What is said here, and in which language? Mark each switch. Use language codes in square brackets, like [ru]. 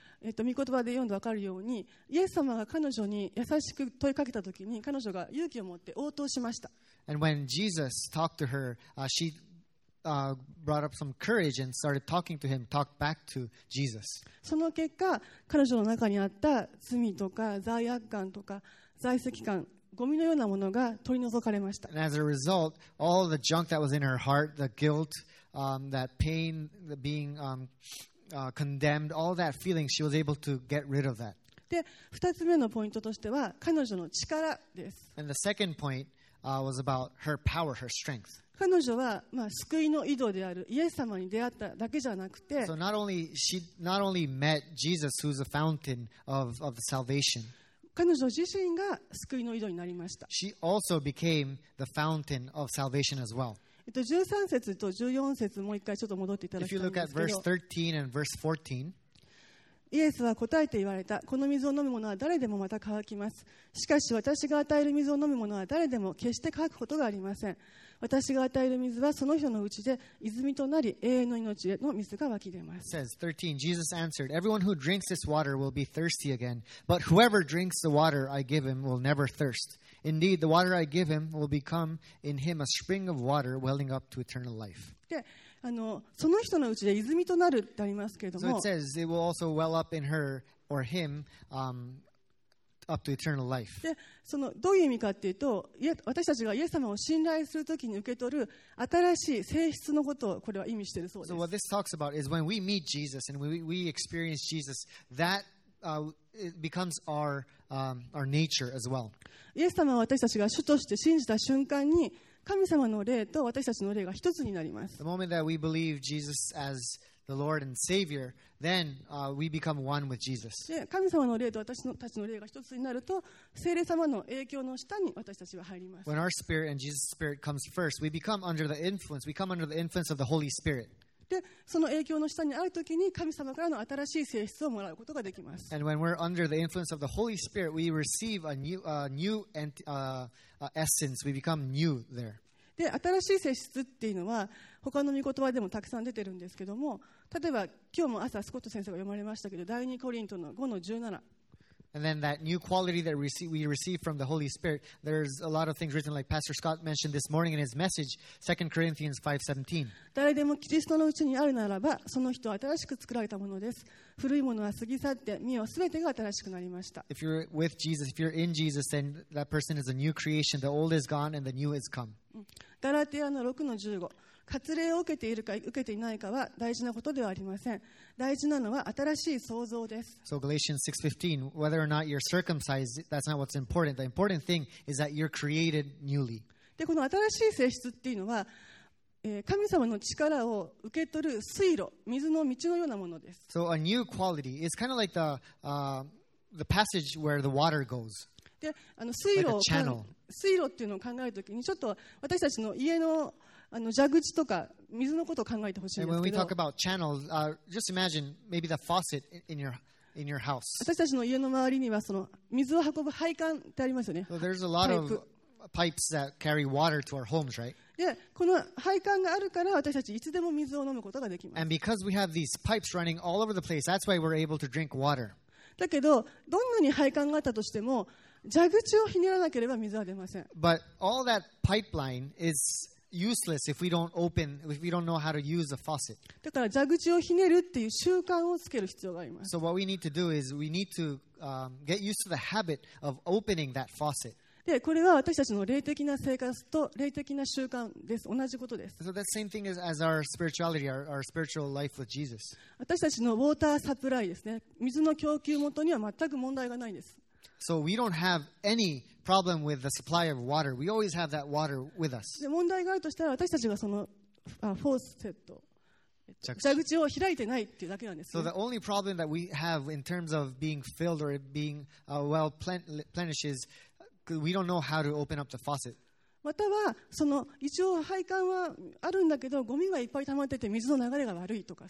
[ja] 御言葉で読んで分かるように、イエス様が彼女に優しく問いかけたときに、彼女が勇気を持って応答しました。 [en] And when Jesus talked to her, she brought up some courage and started talking to him, talked back to Jesus. [ja] その結果、彼女の中にあった罪とか罪悪感とか罪責感、ゴミのようなものが取り除かれました。 [en] And as a result, all the junk that was in her heart, the guilt, that pain, the being, condemned, all that feeling, she was able to get rid of that. [ja] で、2つ目のポイントとしては彼女の力です。 [en] And the second point, was about her power, her strength. [ja] 彼女は、救いの井戸であるイエス様に出会っただけじゃなくて、 [en] So not only met Jesus, who's a fountain of the salvation. [ja] 彼女自身が救いの井戸になりました。 [en] She also became the fountain of salvation as well. [ja] 13節と14節もう一回ちょっと戻っていただきたいんですけど、 [en] If you look at verse 13 and verse 14, [ja] イエスは答えて言われた。この水を飲む者は誰でもまた乾きます。しかし私が与える水を飲む者は誰でも決して乾くことがありません。私が与える水はその人のうちで泉となり、永遠の命の水が湧き出ます。 [en] It says 13, Jesus answered, Everyone who drinks this water will be thirsty again, but whoever drinks the water I give him will never thirst. Indeed, the water I give him will become in him a spring of water welling up to eternal life. [ja] で、その人のうちで泉となるってありますけれども、 [en] So it says it will also well up in her or him, up to eternal life. [ja] で、そのどういう意味かっていうと、私たちがイエス様を信頼するときに受け取る新しい性質のことをこれは意味しているそうです。 [en] So what this talks about is when we meet Jesus and we experience Jesus, that it becomes our nature as well. [ja] イエス様は私たちが主として信じた瞬間に、神様の霊と私たちの霊が一つになります。 [en] The moment that we believe Jesus as the Lord and Savior, then we become one with Jesus. [ja] 神様の霊と私たちの霊が一つになると、聖霊様の影響の下に私たちは入ります。 [en] When our spirit and Jesus' spirit comes first, we become under the influence. We come under the influence of the Holy Spirit. [ja] で、その影響の下にあるときに神様からの新しい性質をもらうことができます。 [en] And when we're under the influence of the Holy Spirit, we receive a new, essence. We become new there. [ja] で、新しい性質っていうのは他の御言葉でもたくさん出てるんですけども、例えば今日も朝スコット先生が読まれましたけど、第2コリントの5の17。 [en] And then that new quality that we receive from the Holy Spirit, there's a lot of things written like Pastor Scott mentioned this morning in his message, 2 Corinthians 5:17. [ja] 誰でもキリストのうちにあるならば、その人は新しく作られたものです。古いものは過ぎ去って、見よ、すべてが新しくなりました。 [en] If you're with Jesus, if you're in Jesus, then that person is a new creation. The old is gone and the new is come. [ja] ガラテヤの 6-15。割礼を受けているか受けていないかは大事なことではありません。大事なのは新しい創造です。 [en] So Galatians 6:15, whether or not you're circumcised, that's not what's important. The important thing is that you're created newly. [ja] で、この新しい性質っていうのは、神様の力を受け取る水路、水の道のようなものです。 [en] So a new quality is kind of like the, the passage where the water goes. [ja] で、あの水路、like、水路っていうのを考えるときに、ちょっと私たちの家の、あの蛇口とか水のことを考えてほしいんですけど。 [en] And when we talk about channels, just imagine maybe the faucet in your house. [ja] 私たちの家の周りにはその水を運ぶ配管ってありますよね。 [en] So there's a lot of pipes that carry water to our homes, right? [ja] でこの配管があるから私たちいつでも水を飲むことができます。 [en] And because we have these pipes running all over the place, that's why we're able to drink water. [ja] だけどどんなに配管があったとしても蛇口をひねらなければ水は出ません。 [en] But all that pipeline is useless if we don't open, if we don't know how to use the faucet. [ja] だから蛇口をひねるっていう習慣をつける必要があります。 [en] So what we need to do is we need to get used to the habit of opening that faucet. [ja] でこれは私たちの霊的な生活と霊的な習慣です。同じことです。 [en] So that same thing is as our spirituality, our spiritual life with Jesus. [ja] 私たちのウォーターサプライですね。水の供給元には全く問題がないです。 [en] So we don't have any problem with the supply of water. We always have that water with us. [ja] で問題があるとしたら私たちがそのフォースセット蛇口を開いてないっていうだけなんです、ね。 [en] So the only problem that we have in terms of being filled or being well plenished is we don't know how to open up the faucet. [ja] またはその一応配管はあるんだけどゴミがいっぱい溜まってて水の流れが悪いとか。